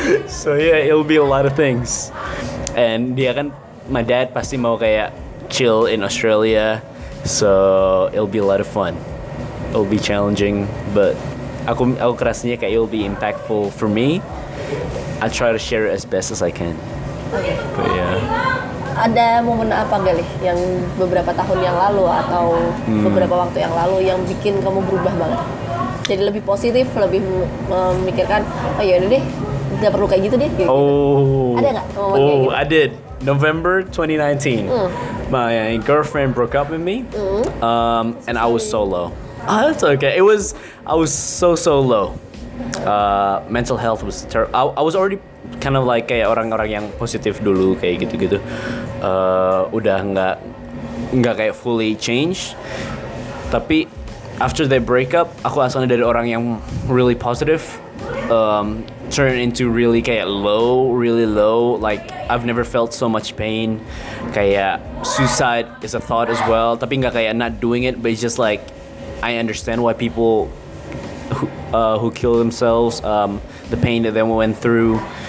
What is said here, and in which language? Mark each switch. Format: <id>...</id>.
<en>So yeah, it'll be a lot of things. And</en> <id>dia kan,</id> <en>my dad pasti mau kayak chill in Australia. So it'll be a lot of fun. It'll be challenging, but</en> <id>aku kerasnya kayak</id> <en>it'll be impactful for me. I try to share it as best as I can. But yeah.</en> <id>Ada momen apa Galih yang beberapa tahun yang lalu atau beberapa waktu yang lalu yang bikin kamu berubah banget? Jadi lebih positif, lebih memikirkan, oh ya deh, nggak perlu kayak gitu deh. Gitu. Oh. Ada nggak momen kayak gitu?</id> <en>Oh, I did. November 2019, my girlfriend broke up with me, and I was solo. Oh, that's okay. I was so low. Mental health was terrible. I was already kind of like</en> <id>kayak orang-orang yang positif dulu kayak gitu-gitu. Udah nggak kayak</id> <en>fully changed.</en> <id>Tapi</id> <en>after they break up,</en> <id>aku asalnya dari orang yang</id> <en>really positive. Turn into really kayak low, really low. Like I've never felt so much pain. Kayak suicide is a thought as well.</en> <id>Tapi nggak kayak</id> <en>not doing it, but it's just like I understand why people who kill themselves, the pain that they went through.</en>